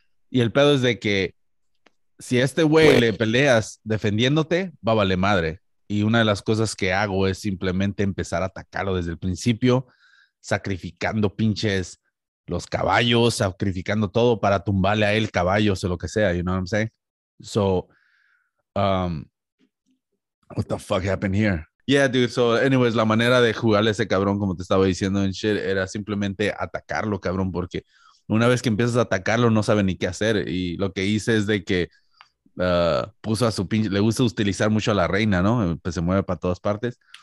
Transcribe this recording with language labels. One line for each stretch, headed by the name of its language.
Spanish: Y el pedo es de que si a este güey le peleas defendiéndote, va a valer madre. Y una de las cosas que hago es simplemente empezar a atacarlo desde el principio, sacrificando pinches los caballos, sacrificando todo para tumbarle a él caballos o lo que sea,
English: you know what I'm saying? So, what the fuck happened here? Yeah, dude. So, anyways,
Spanish: la manera de jugarle a ese cabrón, como te estaba diciendo en shit, era simplemente atacarlo, cabrón, porque. Una vez que empiezas a atacarlo, no sabe ni qué hacer. Y lo que hice es de que puso a su pinche. Le gusta utilizar mucho a la reina, ¿no? Pues se mueve para todas partes.